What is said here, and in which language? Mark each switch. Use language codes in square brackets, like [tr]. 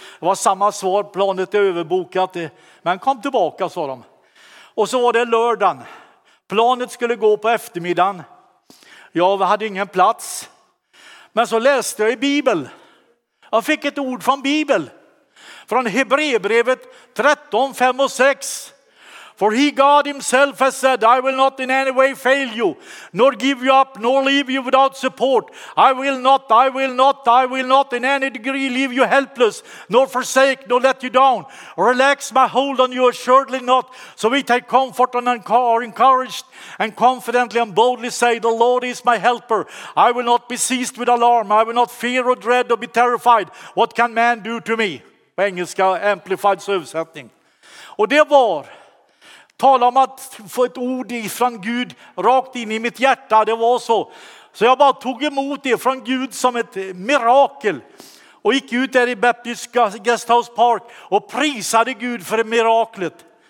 [sv] Det var samma svar. Planet är överbokat. Men kom tillbaka, sa de. Och så var det lördagen. Planet skulle gå på eftermiddagen. Jag hade ingen plats. Men så läste jag i Bibel. Jag fick ett ord från Bibel. Från Hebreerbrevet 13, 5 och 6. [en] For he God himself has said, I will not in any way fail you, nor give you up, nor leave you without support. I will not in any degree leave you helpless, nor forsake, nor let you down. Relax my hold on you, assuredly not. So we take comfort and are encouraged and confidently and boldly say, the Lord is my helper. I will not be seized with alarm. I will not fear or dread or be terrified. What can man do to me? [sv] På engelska, amplified översättning. Och det var, tala om att få ett ord ifrån Gud rakt in i mitt hjärta, det var så. Så jag bara tog emot det från Gud som ett mirakel. Och gick ut där i Baptist Guesthouse Park och prisade Gud för det miraklet.